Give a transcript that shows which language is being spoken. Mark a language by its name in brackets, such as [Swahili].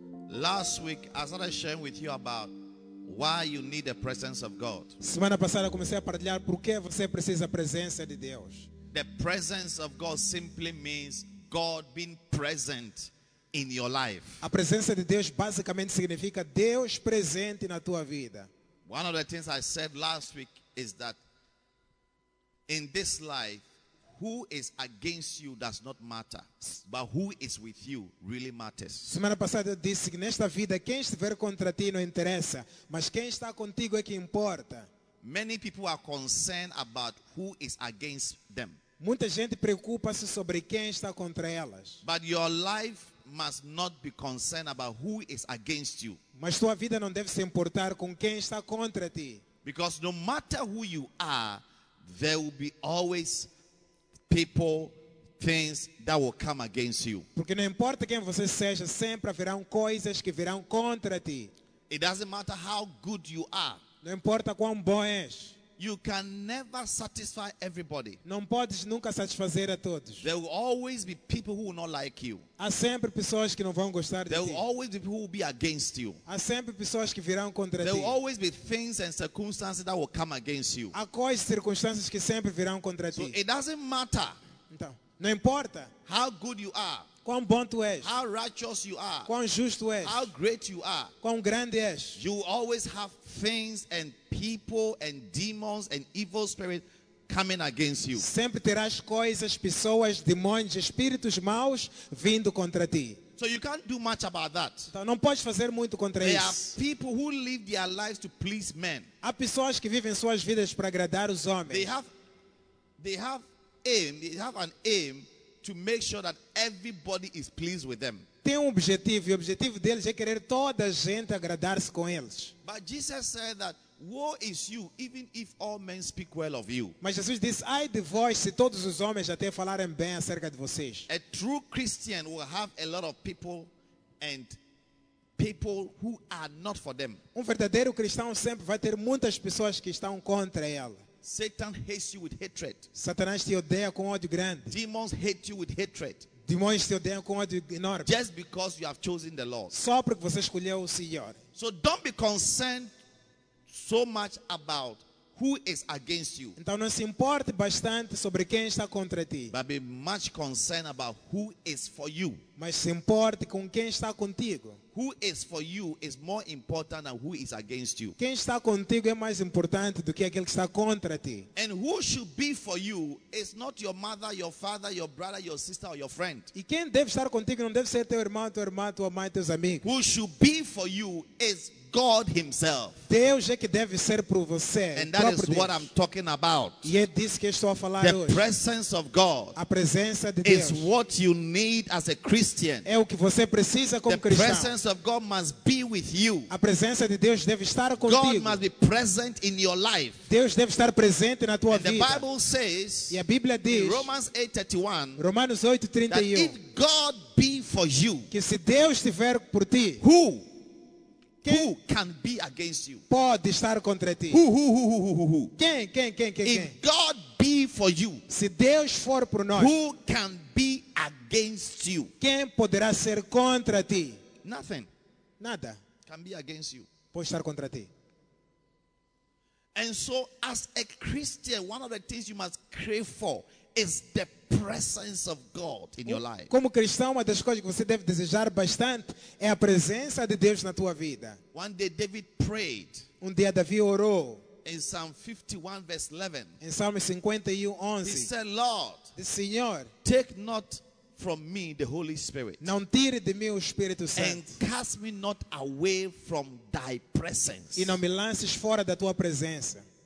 [English] Last week, I started sharing with you about why you need the presence of God. [Portuguese] Semana passada comecei a partilhar por que você precisa da presença de Deus. [English] The presence of God simply means God being present in your life. [Portuguese] A presença de Deus basicamente significa Deus presente na tua vida. [English] One of the things I said last week is that in this life, who is against you does not matter, but who is with you really matters. [Portuguese] Semana passada disse que nesta vida quem estiver contra ti não interessa, mas quem está contigo é que importa. [English] Many people are concerned about who is against them. [Portuguese] Muita gente preocupa-se sobre quem está contra elas. [English] But your life must not be concerned about who is against you. [Portuguese] Mas tua vida não deve se importar com quem está contra ti. [English] Because no matter who you are, there will be always people, things that will come against you. [Portuguese] Porque não importa quem você seja, sempre haverão coisas que virão contra ti. [English] It doesn't matter how good you are. [Portuguese] Não importa quão bom és. [English] You can never satisfy everybody. [Portuguese] Não podes nunca satisfazer a todos. [English] There will always be people who will not like you. [Portuguese] Há sempre pessoas que não vão gostar [English] there [Portuguese] de ti. [English] There will always be people who will be against you. [Portuguese] Há sempre pessoas que virão contra [English] there [Portuguese] ti. [English] There will always be things and circumstances that will come against you. [Portuguese] Há coisas e circunstâncias que sempre virão contra [English] so [Portuguese] ti. [English] It doesn't matter. [Portuguese] Então, não importa [English] how good you are. [Portuguese] Quão bom tu és. [English] How righteous you are. [Portuguese] Quão justo és. [English] How great you are. [Portuguese] Quão grande és. [English] You always have things and people and demons and evil spirits coming against you. [Portuguese] Sempre terás coisas, pessoas, demônios, espíritos maus vindo contra ti. [English] So you can't do much about that. [Portuguese] Então não podes fazer muito contra [English] there [Portuguese] isso. [English] There are people who live their lives to please men. [Portuguese] Há pessoas que vivem suas vidas para agradar os homens. [English] They have an aim to make sure that everybody is pleased with them. [Portuguese] Tem objetivo e o objetivo deles é querer toda a gente agradar-se com eles. [English] But Jesus said that woe is you, even if all men speak well of you. [Portuguese] Mas Jesus disse, ai de vós se todos os homens até falarem bem acerca de vocês. [English] A true Christian will have a lot of people and people who are not for them. [Portuguese] Um verdadeiro cristão sempre vai ter muitas pessoas que estão contra ele. [English] Satan hates you with hatred. [Portuguese] Satanás te odeia com ódio grande. [English] Demons hate you with hatred. [Portuguese] Demônios te odeiam com ódio enorme. [English] Just because you have chosen the Lord. [Portuguese] Só porque você escolheu o Senhor. [English] So don't be concerned so much about who is against you. [Portuguese] Então não se importe bastante sobre quem está contra ti. [English] But be much concerned about who is for you. [Portuguese] Mas se importe com quem está contigo. [English] Who is for you is more important than who is against you. [Portuguese] Quem está contigo é mais importante do que aquele que está contra ti. [English] And who should be for you is not your mother, your father, your brother, your sister, or your friend. [Portuguese] E quem deve estar contigo não deve ser teu irmão, tua irmã, tua mãe, teus amigos. [English] Who should be for you is God himself. [Portuguese] Deus é que deve ser por você. [English] And that [Portuguese] próprio [English] is [Portuguese] Deus. [English] What I'm talking about. [Portuguese] E é disso que estou a falar [English] the [Portuguese] hoje. [English] The presence of God. [Portuguese] A presença de [English] is [Portuguese] Deus. [English] Is what you need as a Christian. [Portuguese] É o que você precisa como [English] the [Portuguese] cristão. [English] The presence of God must be with you. [Portuguese] A presença de Deus deve estar contigo. [English] God must be present in your life. [Portuguese] Deus deve estar presente na tua [English] and [Portuguese] vida. [English] The Bible says. [Portuguese] E a Bíblia diz. [English] In Romans 8:31. [Portuguese] Romanos 8:31. [English] That if God be for you. [Portuguese] Que se Deus estiver por ti. [English] Who? [Portuguese] Quem [English] who can be against you? [Portuguese] Pode estar contra ti. [English] Who? [Portuguese] Quem? [English] If God be for you, [Portuguese] se Deus for por nós, [English] who can be against you? [Portuguese] Quem poderá ser contra ti? [English] Nothing. [Portuguese] Nada. [English] Can be against you. [Portuguese] Pode estar contra ti. [English] And so, as a Christian, one of the things you must crave for is the presence of God in your life. [Portuguese] Como cristão, uma das coisas que você deve desejar bastante é a presença de Deus na tua vida. [English] One day David prayed. [Portuguese] Um dia Davi orou. [English] In Psalm 51 verse 11. [Portuguese] Em Salmo 51:11. [English] He said, Lord, [Portuguese] the Senhor, [English] take not from me the Holy Spirit. [Portuguese] Não tire de mim o Espírito Santo. [English] And cast me not away from thy presence. [Portuguese] E não me lances fora da tua presença.